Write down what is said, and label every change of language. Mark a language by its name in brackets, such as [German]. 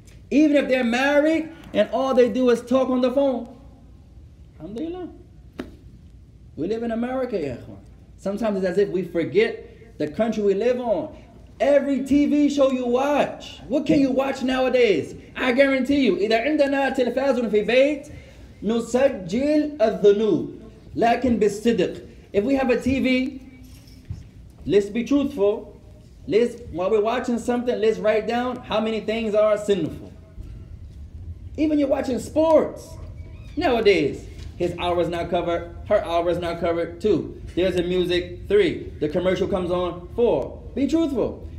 [English] Even if they're married and all they do is talk on the phone. Alhamdulillah. We live in America, ya ikhwan. Sometimes it's as if we forget the country we live on. Every TV show you watch, what can you watch nowadays? I guarantee you, [Arabic] إذا عندنا تلفاز في بيت نسجل الذنوب لكن بالصدق. [English] If we have a TV, let's be truthful. Let's, while we're watching something, let's write down how many things are sinful. Even you're watching sports nowadays. His hour is not covered, her hour is not covered, two. There's a music, three. The commercial comes on, four. Be truthful.